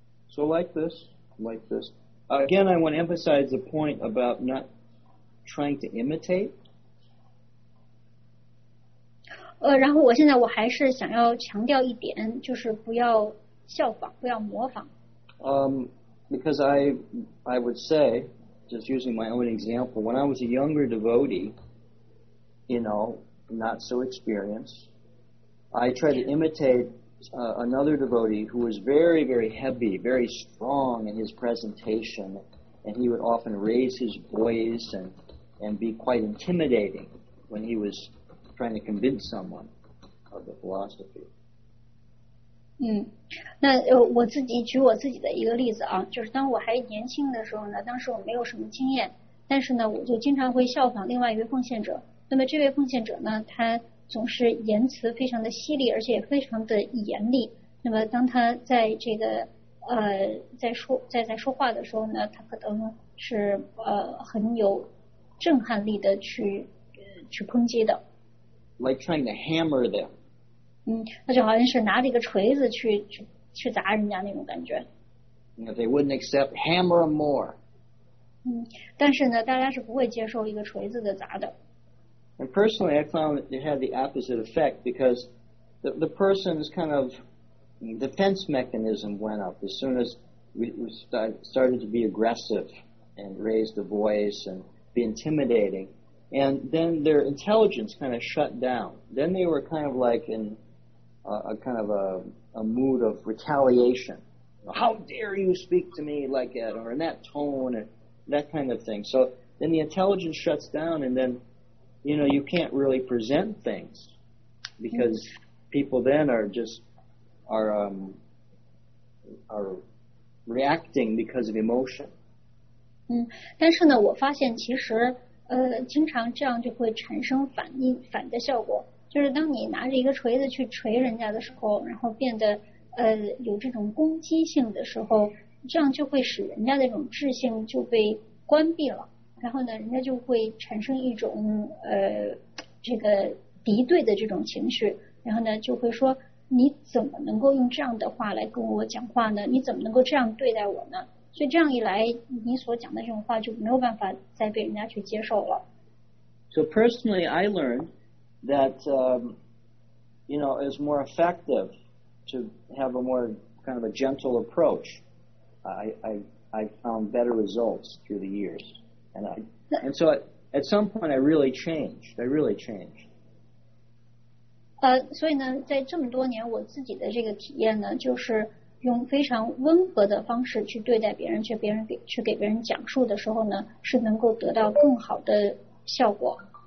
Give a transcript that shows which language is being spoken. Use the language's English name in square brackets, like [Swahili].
[English] So like this. Again, I want to emphasize the point about not trying to imitate. [Chinese] 然后我现在我还是想要强调一点，就是不要效仿，不要模仿。 [English] Because I would say, just using my own example, when I was a younger devotee, you know, not so experienced, I tried to imitate another devotee who was very, very heavy, very strong in his presentation, and he would often raise his voice and be quite intimidating when he was trying to convince someone of the philosophy. [Chinese] 那我自己举我自己的一个例子啊，就是当我还年轻的时候呢，当时我没有什么经验，但是呢，我就经常会效仿另外一位奉献者。那么这位奉献者呢，他总是言辞非常的犀利，而且非常的严厉。那么当他在这个在说话的时候呢，他可能是很有震撼力的去抨击的。 [English] Like trying to hammer them. [Chinese] 那就好像是拿着一个锤子去砸人家那种感觉。 [English] They wouldn't accept hammer more. [Chinese] 但是呢，大家是不会接受一个锤子的砸的。 [English] And personally, I found it had the opposite effect because the person's kind of defense mechanism went up as soon as we started to be aggressive and raise the voice and be intimidating. And then their intelligence kind of shut down. Then they were kind of like in a kind of a mood of retaliation. How dare you speak to me like that, or in that tone, and that kind of thing. So then the intelligence shuts down, and then you know, you can't really present things because people then are reacting because of emotion. [Chinese] 但是呢，我发现其实经常这样就会产生反的效果，就是当你拿着一个锤子去锤人家的时候，然后变得有这种攻击性的时候，这样就会使人家的这种智性就被关闭了。然后呢，人家就会产生一种这个敌对的这种情绪，然后呢就会说你怎么能够用这样的话来跟我讲话呢？你怎么能够这样对待我呢？所以这样一来，你所讲的这种话就没有办法再被人家去接受了。 [English] So personally, I learned that, you know, it's more effective to have a more kind of a gentle approach. I found better results through the years, and so at some point I really changed. I really changed. [Chinese] 所以呢，在这么多年我自己的这个体验呢，就是用非常温和的方式去对待别人，去给别人讲述的时候呢，是能够得到更好的效果。